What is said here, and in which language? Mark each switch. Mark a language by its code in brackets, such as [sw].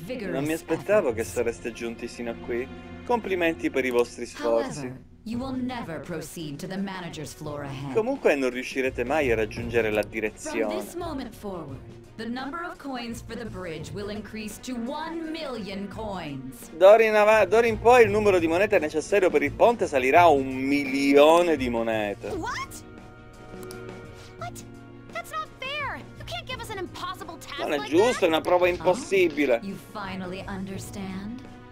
[it] Non mi aspettavo che sareste giunti sino a qui. Complimenti per i vostri sforzi. [en] You will never proceed to the manager's floor ahead. [it] Comunque non riuscirete mai a raggiungere la direzione. [en] From this moment forward, the number of coins for the bridge will increase to 1,000,000 coins. [it] D'ora in poi il numero di monete necessario per il ponte salirà a 1,000,000 di monete. [en] What? That's not fair. You can't give us an impossible task. [it] Non è giusto, è una prova impossibile. [en] You finally understand?